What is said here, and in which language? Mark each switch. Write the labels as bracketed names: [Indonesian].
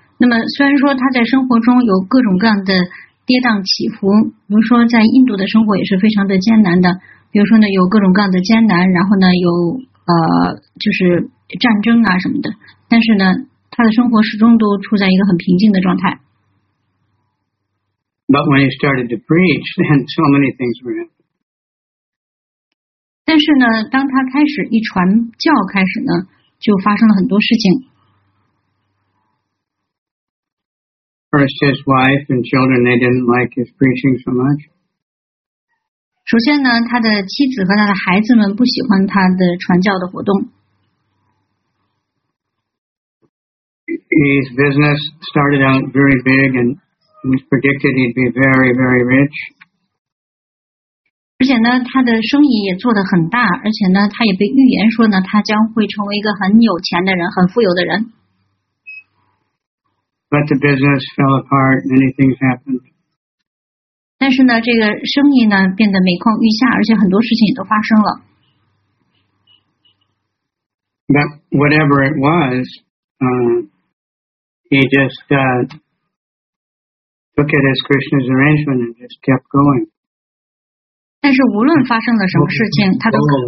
[Chinese] 那么虽然说他在生活中有各种各样的跌宕起伏，比如说在印度的生活也是非常的艰难的。比如说呢，有各种各样的艰难，然后呢，有就是战争啊什么的，但是呢，他的生活始终都处在一个很平静的状态。 [English] But when he started to preach, then so many things were happening. [Chinese] 但是呢，当他开始一传教开始呢，就发生了很多事情。 [English] First, his wife and children, they didn't like his preaching so much. [Chinese] 首先呢，他的妻子和他的孩子们不喜欢他的传教的活动。 [English] His business started out very big and was predicted he'd be very, very rich. [Chinese] 而且呢，他的生意也做得很大，而且呢，他也被预言说呢，他将会成为一个很有钱的人，很富有的人。 [English] But the business fell apart, many things happened. [Chinese] 但是呢，这个生意呢变得每况愈下，而且很多事情也都发生了。 [English] But whatever it was, he just took it as Krishna's arrangement and just kept going. [Chinese] 但是无论发生了什么事情，他都。